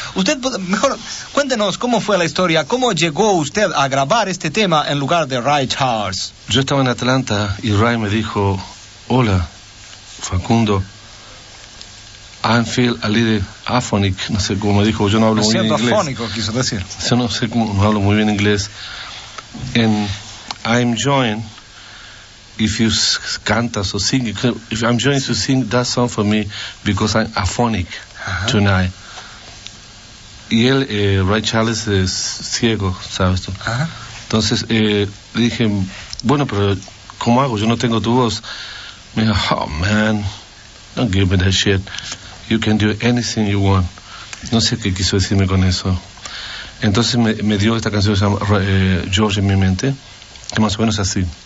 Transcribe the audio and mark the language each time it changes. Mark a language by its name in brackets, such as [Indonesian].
[Spanish] Usted, mejor, cuéntenos cómo fue la historia, cómo llegó usted a grabar este tema en lugar de Ray Charles. Yo estaba en Atlanta y Ray me dijo, hola, Facundo, [English] I feel a little aphonic, [Spanish] no sé cómo me dijo, yo no hablo muy bien inglés. Me siento afónico, quiso decir. Yo no sé cómo, no hablo muy bien inglés. [English] And I'm joined. If you [Spanish] cantas [English] or sing, if I'm joining to sing that song for me because I'm aphonic uh-huh. tonight. [Spanish] Y él, Ray Charles es ciego, ¿sabes tú? Uh-huh. Entonces le dije, bueno, pero ¿cómo hago? Yo no tengo tu voz. Me dijo, [English] oh man, don't give me that shit. You can do anything you want. [Spanish] No sé qué quiso decirme con eso. Entonces me dio esta canción que se llama George en mi mente, que más o menos es así.